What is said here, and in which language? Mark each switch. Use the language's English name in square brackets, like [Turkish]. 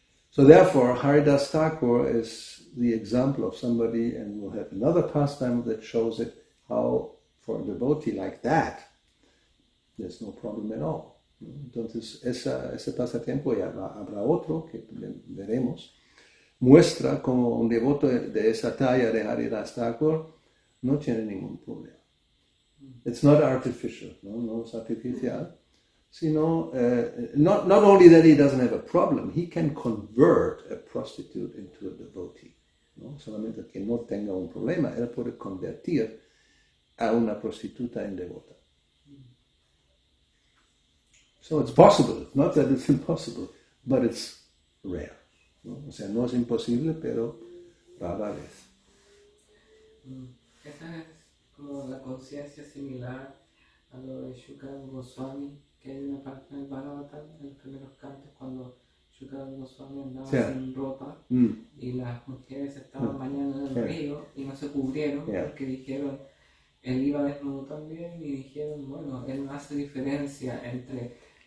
[English] So therefore, Haridas Thakur is the example of somebody, and we'll have another pastime that shows it, how for a devotee like that, there's no problem at all. [Spanish] Entonces, ese pasatiempo, y habrá otro que veremos, muestra como un devoto de esa talla de Haridas Thakur no tiene ningún problema. [English] It's not artificial, [Spanish] no es artificial, sino, [English] not only that he doesn't have a problem, he can convert a prostitute into a devotee. [Spanish] ¿No? Solamente que no tenga un problema, él puede convertir a una prostituta en devota. [English] So it's possible, not that it's impossible, but it's rare. [Spanish] ¿No? O sea, no es imposible, pero rara vez. Esa es como la conciencia similar a lo de Shukadeva Goswami, que hay una parte en el Bhagavatam, en los primeros cantos, cuando Shukadeva Goswami andaba sin ropa y las mujeres estaban bañando en el río y no se cubrieron porque dijeron, él iba desnudo también y dijeron, bueno, él no hace diferencia entre